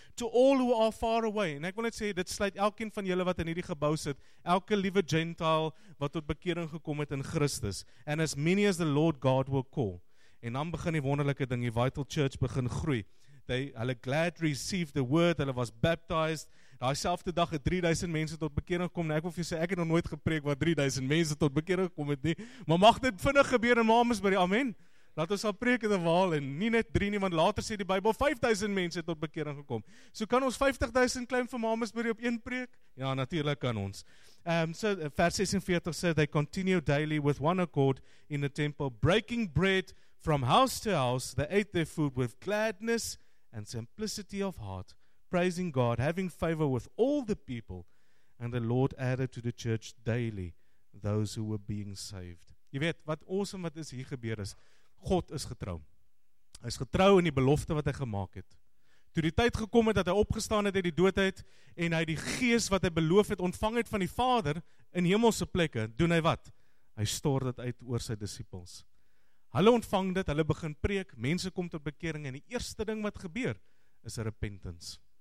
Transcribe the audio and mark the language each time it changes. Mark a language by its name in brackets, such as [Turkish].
[English] To all who are far away. [Afrikaans] En ek wil net sê, dit sluit elkeen van julle wat in hierdie gebou sit, elke liewe Gentile wat tot bekering gekom het in Christus. [English] And as many as the Lord God will call. [Afrikaans] En dan begin die wonderlike ding, die Vital Church begin groei. Hulle glad [English] received the word, [Afrikaans] hulle was baptized. Daai selfde dag het 3000 mense tot bekering gekom. Nou ek wil vir jou sê, ek het nog nooit gepreek waar 3000 mense tot bekering gekom het nie. Maar mag dit vinnig gebeur in Mamesbury, amen. Laat ons al preek in die waal en nie net 3 nie, want later sê die Bybel 5000 mense tot bekering gekom. So kan ons 50000 klim vir Mamesbury op een preek? Ja, natuurlik kan ons. [English] So vers 46 sê, they continue daily with one accord in the temple, breaking bread from house to house, they ate their food with gladness and simplicity of heart, praising God, having favor with all the people, and the Lord added to the church daily those who were being saved. [Afrikaans] Jy weet, wat awesome wat is hier gebeur is, God is getrou. Hy is getrou in die belofte wat hy gemaak het. Toe die tyd gekom het dat hy opgestaan het uit die dood uit, en hy die gees wat hy beloof het ontvang het van die Vader in hemelse plekke, doen hy wat? Hy stort dit uit oor sy disippels. Hulle ontvang dit, hulle begin preek, mense kom tot bekering, en die eerste ding wat gebeur, is repentance.